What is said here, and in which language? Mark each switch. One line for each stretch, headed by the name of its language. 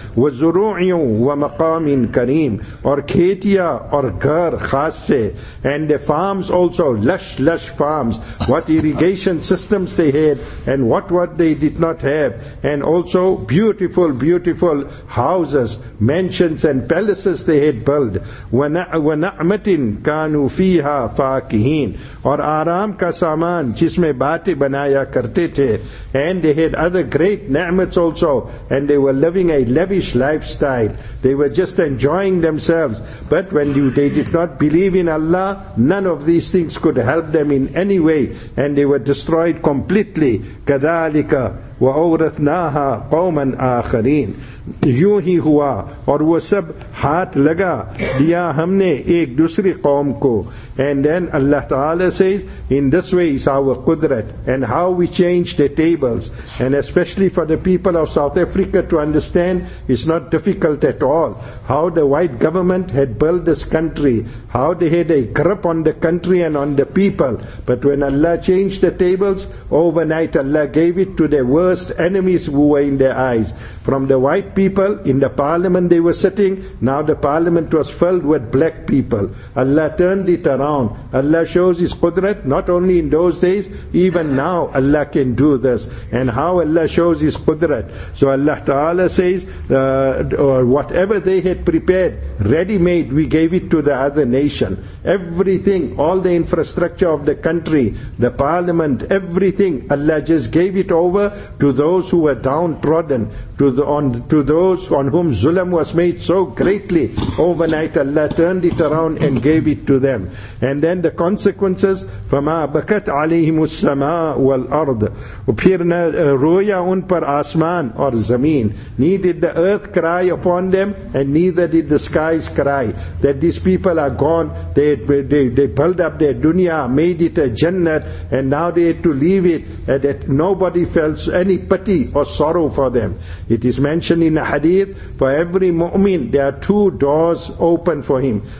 Arabic: وَزُرُوعٍ وَمَقَامٍ Kareem,
Urdu: or khetia or ghar khasse,
English: and the farms also, lush farms, what irrigation systems they had, and what they did not have, and also beautiful houses, mansions and palaces they had built.
Arabic: وَنَعْمَتٍ كَانُوا فِيهَا فَاكِهِينَ,
Urdu: اور آرام کا سامان جس میں باتیں بنایا کرتے تھے.
English: And they had other great ni'mats also, and they were living a lavish lifestyle. They were just enjoying themselves. But when they did not believe in Allah, none of these things could help them in any way, and they were destroyed completely.
Arabic: كَذَلِكَ وَأَوْرَثْنَاهَا قَوْمًا آخَرِينَ.
Urdu: یوں ہی ہوا اور وہ سب ہاتھ لگا دیا ہم نے ایک دوسری قوم کو.
English: And then Allah Ta'ala says, in this way is our qudrat and how we change the tables. And especially for the people of South Africa to understand, it's not difficult at all. How the white government had built this country, how they had a grip on the country and on the people. But when Allah changed the tables, overnight Allah gave it to their worst enemies who were in their eyes. From the white people in the parliament they were sitting, now the parliament was filled with black people. Allah turned it around. Allah shows His Qudrat not only in those days, even now Allah can do this. And how Allah shows His Qudrat. So Allah Ta'ala says, whatever they had prepared, ready made, we gave it to the other nation. Everything, all the infrastructure of the country, the parliament, everything, Allah just gave it over to those who were downtrodden, to those on whom zulm was made so greatly. Overnight Allah turned it around and gave it to them. And then the consequences,
Arabic: فَمَا بَكَتْ عَلَيْهِمُ السَّمَاءُ وَالْأَرْضُ
Urdu: پھر نہ رویا ان پر آسمان اور زمین.
English: Neither did the earth cry upon them and neither did the skies cry, that these people are gone. They built up their dunya, made it a jannat, and now they had to leave it, and that nobody felt any pity or sorrow for them. It is mentioned in a hadith, for every mu'min there are two doors open for him.